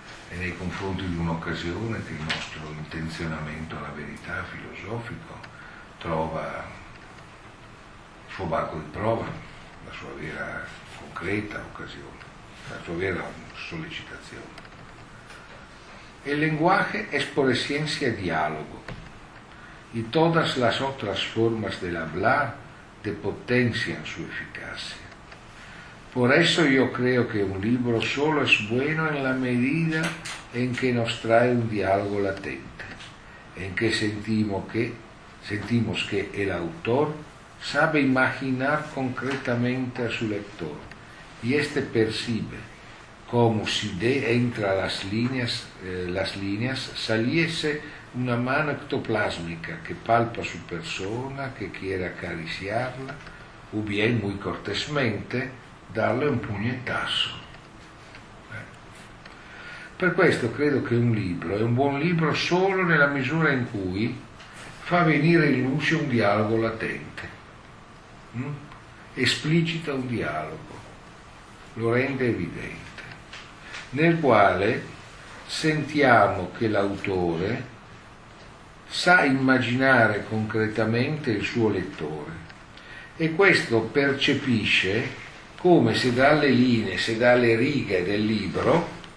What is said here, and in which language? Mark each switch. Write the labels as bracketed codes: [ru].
[it] e nei confronti di un'occasione che il nostro intenzionamento alla verità filosofico trova il suo banco di prova, la sua vera concreta occasione, la sua vera sollecitazione. [es] Il linguaje es por esencia dialogo, y todas las otras formas del hablar te potencian su eficacia. Por eso yo creo que un libro solo es bueno en la medida en que nos trae un diálogo latente, en que sentimos que el autor sabe imaginar concretamente a su lector y este percibe como si de entre las líneas saliese una mano ectoplásmica que palpa su persona, que quiere acariciarla, o bien, muy cortesmente, darle un puñetazo. [it] Per questo credo che un libro è un buon libro solo nella misura in cui fa venire in luce un dialogo latente, esplicita un dialogo, lo rende evidente, nel quale sentiamo che l'autore sa immaginare concretamente il suo lettore e questo percepisce come se dalle linee, se dalle righe del libro